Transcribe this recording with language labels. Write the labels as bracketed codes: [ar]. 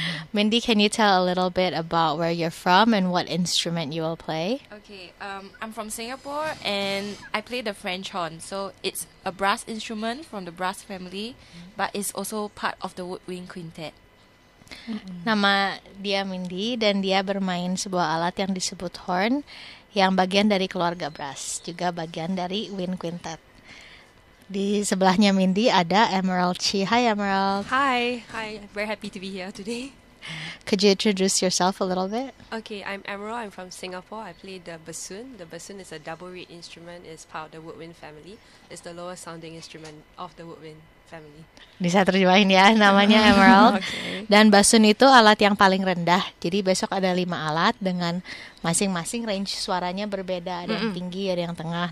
[en] Mindy, can you tell a little bit about where you're from and what instrument you will play? Okay, I'm from Singapore and I play the French horn. So it's a brass instrument from the brass family, but it's also part of the woodwind quintet. [id] Nama dia Mindy dan dia bermain sebuah alat yang disebut horn, yang bagian dari keluarga brass, juga bagian dari wind quintet. Di sebelahnya Mindy ada Emerald Chi. [en] Hi Emerald. Hi, very happy to be here today. Could you introduce yourself a little bit? Okay, I'm Emerald, I'm from Singapore. I play the bassoon. The bassoon is a double reed instrument, it's part of the woodwind family. It's the lowest sounding instrument of the woodwind family. [id] Bisa terjemahin ya, namanya Emerald. Okay. Dan bassoon itu alat yang paling rendah. Jadi besok ada 5 alat dengan masing-masing range suaranya berbeda. Ada yang tinggi, ada yang tengah.